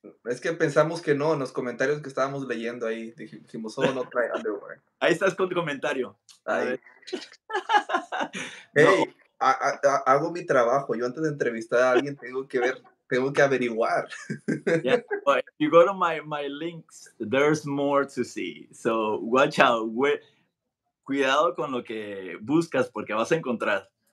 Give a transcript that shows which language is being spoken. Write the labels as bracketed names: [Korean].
[Spanish] Es que pensamos que no, en los comentarios que estábamos leyendo ahí, dijimos, solo no trae underwear. Ahí estás con tu comentario. Hey, no. I hago mi trabajo. Yo antes de entrevistar a alguien, tengo que averiguar. [English] Yeah, but if you go to my links, there's more to see. So watch out. [Spanish] Cuidado con lo que buscas porque vas a encontrar.